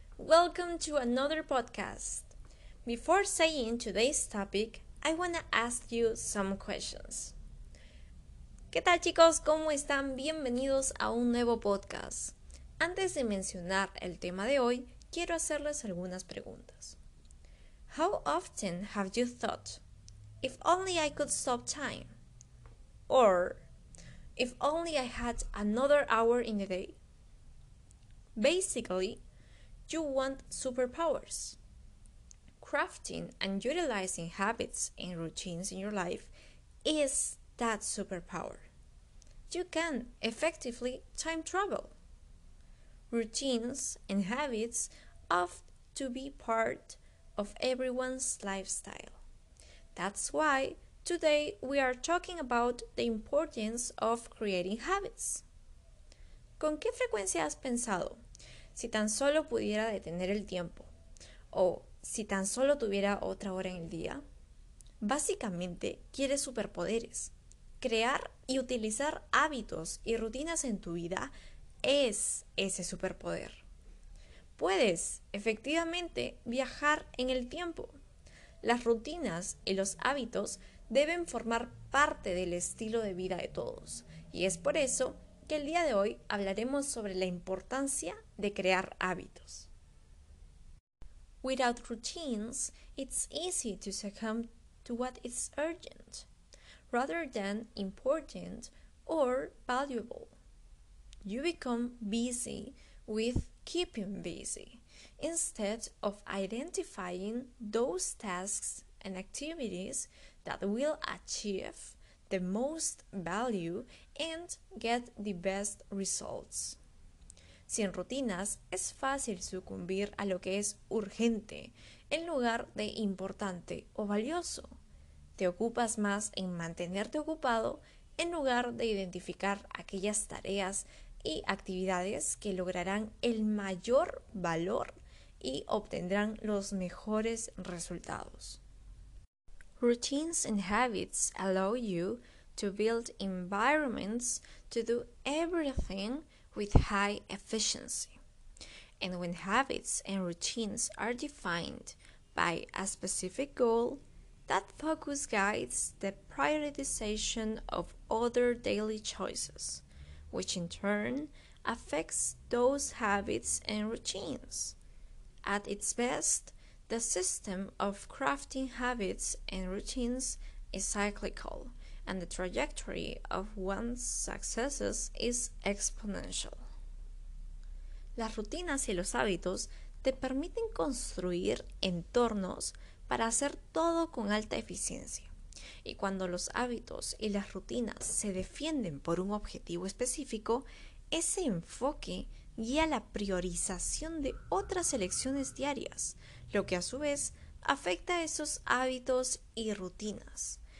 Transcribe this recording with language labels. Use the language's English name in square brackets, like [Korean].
[English] Welcome to another podcast. Before saying today's topic, I want to ask you some questions. [Spanish] ¿Qué tal chicos? ¿Cómo están? Bienvenidos a un nuevo podcast. Antes de mencionar el tema de hoy, quiero hacerles algunas preguntas. [English] How often have you thought, if only I could stop time? Or, if only I had another hour in the day? Basically, you want superpowers. Crafting and utilizing habits and routines in your life is that superpower. You can effectively time travel. Routines and habits have to be part of everyone's lifestyle. That's why today we are talking about the importance of creating habits. [Spanish] ¿Con qué frecuencia has pensado? Si tan solo pudiera detener el tiempo, o si tan solo tuviera otra hora en el día. Básicamente, quieres superpoderes. Crear y utilizar hábitos y rutinas en tu vida es ese superpoder. Puedes, efectivamente, viajar en el tiempo. Las rutinas y los hábitos deben formar parte del estilo de vida de todos, y es por eso que el día de hoy hablaremos sobre la importancia de crear hábitos. [English] Without routines, it's easy to succumb to what is urgent, rather than important or valuable. You become busy with keeping busy, instead of identifying those tasks and activities that will achieve the most value and get the best results. [Spanish] Sin rutinas, es fácil sucumbir a lo que es urgente en lugar de importante o valioso. Te ocupas más en mantenerte ocupado en lugar de identificar aquellas tareas y actividades que lograrán el mayor valor y obtendrán los mejores resultados. [English] Routines and habits allow you to build environments to do everything with high efficiency. And when habits and routines are defined by a specific goal, that focus guides the prioritization of other daily choices, which in turn affects those habits and routines. At its best, the system of crafting habits and routines is cyclical, and the trajectory of one's successes is exponential. [Spanish] Las rutinas y los hábitos te permiten construir entornos para hacer todo con alta eficiencia. Y cuando los hábitos y las rutinas se defienden por un objetivo específico, ese enfoque guía la priorización de otras elecciones diarias, lo que a su vez afecta a esos hábitos y rutinas.